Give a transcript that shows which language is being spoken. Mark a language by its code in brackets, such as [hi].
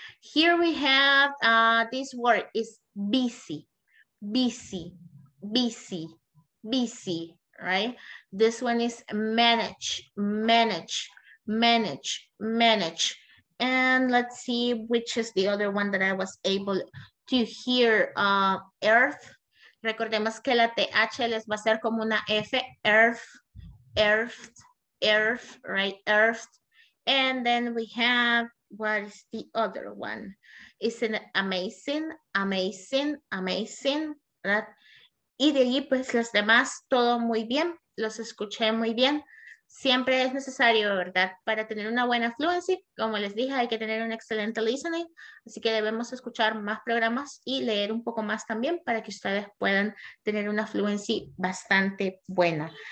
[en] Here we have this word is busy, right? This one is manage. And let's see which is the other one that I was able to hear. Earth. [es] Recordemos que la TH les va a ser como una F. [en] Earth, right? Earth. And then we have, what is the other one? Isn't it amazing, right? [es] Y de allí, pues, los demás, todo muy bien. Los escuché muy bien. Siempre es necesario, ¿verdad? Para tener una buena fluency, como les dije, hay que tener un excelente listening. Así que debemos escuchar más programas y leer un poco más también para que ustedes puedan tener una fluency bastante buena.